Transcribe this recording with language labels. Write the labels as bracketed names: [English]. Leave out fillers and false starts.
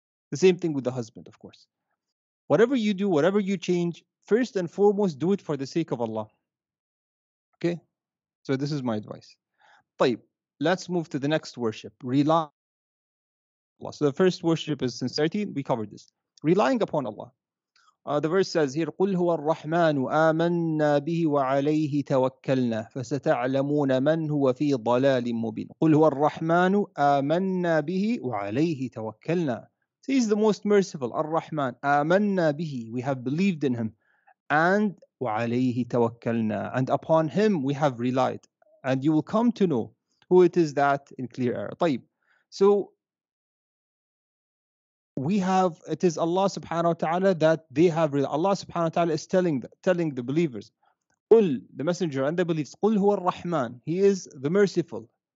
[English] The same thing with the husband, of course. Whatever you do, whatever you change, first and foremost, do it for the sake of Allah. Okay? So this is my advice. [Arabic] طيب, [English] let's move to the next worship. Rely on Allah. So the first worship is sincerity. We covered this. Relying upon Allah. The verse says here, [Arabic] قُلْ هُوَ الرَّحْمَنُ آمَنَّا بِهِ وَعَلَيْهِ تَوَكَّلْنَا فَسَتَعْلَمُونَ مَنْ هُوَ فِي ضَلَالٍ مُبِينٍ قُلْ هُوَ الرَّحْمَنُ آمَنَّا بِهِ وَعَلَيْهِ تَوَكَّلْنَا. [English] He is the most merciful. [Arabic] الرَّحْمَنُ آمَنَّا بِهِ. [English] We have believed in him. And [Arabic] وَعَلَيْهِ تَوَكَّلْنَا. [English] And upon him we have relied. And you will come to know who it is that in clear air. [Arabic] طيب. [English] So, it is Allah subhanahu wa ta'ala that they have relied. Allah subhanahu wa ta'ala is telling the believers, قُلْ, the messenger and the believers, [Arabic] قُلْ هُوَ الرَّحْمَنُ, [English] he is the merciful.